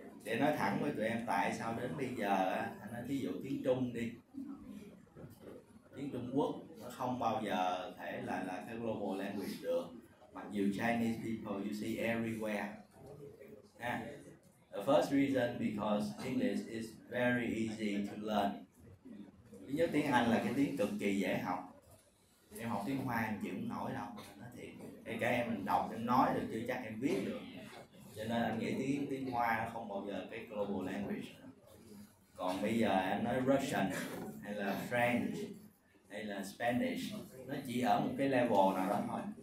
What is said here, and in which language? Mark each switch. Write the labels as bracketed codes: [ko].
[vi] Để nói thẳng với tụi em, tại sao đến bây giờ anh nói ví dụ tiếng Trung đi, tiếng Trung Quốc nó không bao giờ thể là cái global language được. Mặc dù [en] Chinese people you see everywhere. Ha. The first reason because English is very easy to learn. [vi] Thứ nhất, tiếng Anh là cái tiếng cực kỳ dễ học. Em học tiếng Hoa em chịu không nổi đâu, nói thiệt. Thì các em mình đọc, em nói được chưa chắc em viết được. Cho nên anh nghĩ tiếng Hoa nó không bao giờ cái global language. Còn bây giờ em nói Russian hay là French hay là Spanish, nó chỉ ở một cái level nào đó thôi.